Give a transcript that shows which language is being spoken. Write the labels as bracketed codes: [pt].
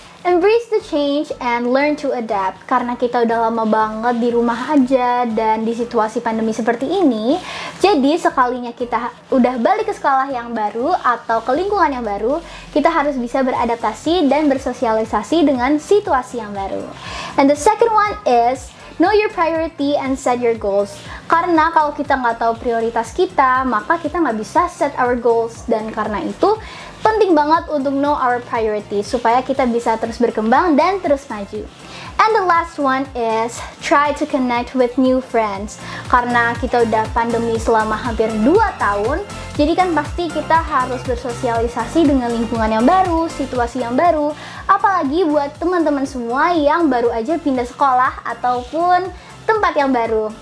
[en] Embrace the change and learn to adapt. [id] Karena kita udah lama banget di rumah aja dan di situasi pandemi seperti ini, jadi sekalinya kita udah balik ke sekolah yang baru atau ke lingkungan yang baru, kita harus bisa beradaptasi dan bersosialisasi dengan situasi yang baru. [en] And the second one is know your priority and set your goals. [id] Karena kalau kita nggak tahu prioritas kita, maka kita nggak bisa [en] set our goals. [id] Dan karena itu, penting banget untuk [en] know our priority [id] supaya kita bisa terus berkembang dan terus maju. [en] And the last one is try to connect with new friends. [id] Karena kita udah pandemi selama hampir 2 tahun, jadi kan pasti kita harus bersosialisasi dengan lingkungan yang baru, situasi yang baru, apalagi buat teman-teman semua yang baru aja pindah sekolah ataupun tempat yang baru.